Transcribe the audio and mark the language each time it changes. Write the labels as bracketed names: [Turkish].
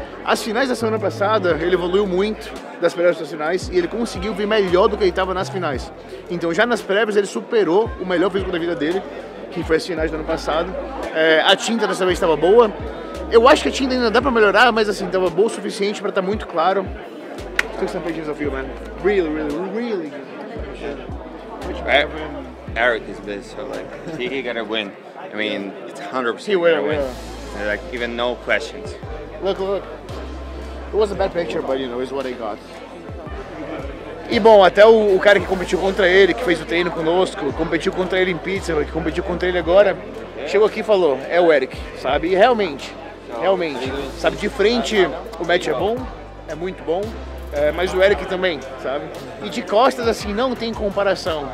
[Portuguese] As finais da semana passada, ele evoluiu muito das prévias das finais e ele conseguiu vir melhor do que ele estava nas finais. Então, já nas prévias, ele superou o melhor físico da vida dele, que foi as finais do ano passado. É, a tinta dessa vez estava boa. Eu acho que a tinta ainda dá para melhorar, mas assim, estava boa o suficiente para estar muito claro. Estou com essa desafio, man. [English] Really, really, really good. Eric is best, so like, he gotta win. I mean, yeah. It's 100% he will win. Yeah. Like, even no questions. Look. It was a bad picture, but you know, it's what I got. [Portuguese] E bom, até o cara que competiu contra ele, que fez o treino conosco, competiu contra ele em pizza, que competiu contra ele agora, chegou aqui e falou, é o Eric, sabe? E realmente, sabe? De frente, o match é bom, é muito bom. É, mas o Eric também, sabe? E de costas, assim, não tem comparação.